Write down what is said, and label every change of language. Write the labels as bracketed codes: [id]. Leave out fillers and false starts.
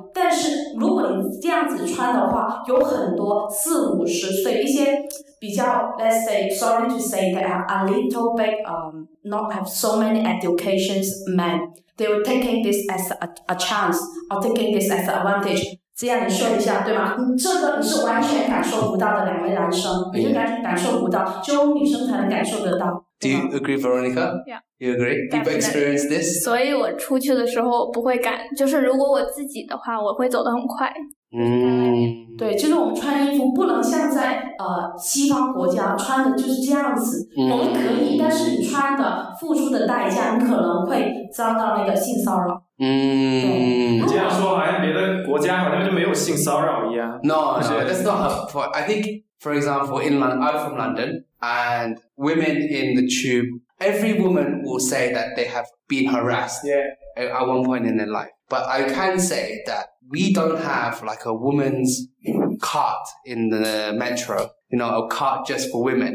[zh] 但是如果你这样子穿的话，有很多四五十岁一些比较 [en] ，let's say sorry to say that a little bit not have so many educations men， they were taking this as a chance or taking this as an advantage。 [zh] 这样你说一下，对吗？这个你是完全感受不到的，两位男生，你是感受不到，只有女生才能感受得到。 [en] Do you agree, Veronica? Yeah. You agree? You've experienced this? [zh] 所以我出去的时候不会赶，就是如果我自己的话，我会走得很快。对，就是我们穿衣服不能像在西方国家穿的就是这样子。我们可以，但是你穿的付出的代价，你可能会遭到那个性骚扰。这样说好像别的国家好像就没有性骚扰一样。 [en] No, that's not helpful. I think, for example, I'm from London, and women in the tube, every woman will say that they have been harassed at one point in their life. But I can say that we don't have like a woman's cart in the metro, you know, a cart just for women.